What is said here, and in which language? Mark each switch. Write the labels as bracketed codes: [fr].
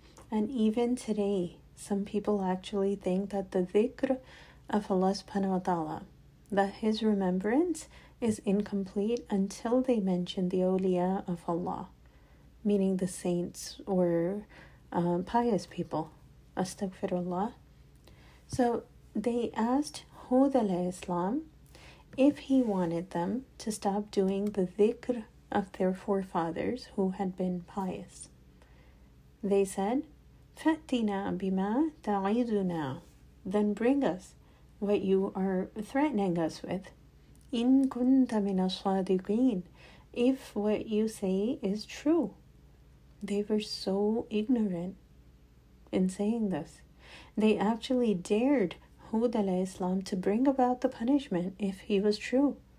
[en] And even today, some people actually think that the dhikr of Allah subhanahu wa ta'ala, that his remembrance is incomplete until they mention the awliya of Allah, meaning the saints or pious people. Astaghfirullah. So they asked Hud al-Islam if he wanted them to stop doing the dhikr of their forefathers who had been pious. They said, [ar] فَأْتِنَا بِمَا تَعِيدُنَا. [en] Then bring us what you are threatening us with. [ar] إِن كُنْتَ مِنَ الصَّادِقِينَ. [en] If what you say is true. They were so ignorant in saying this. They actually dared Hud al-Islam to bring about the punishment if he was true.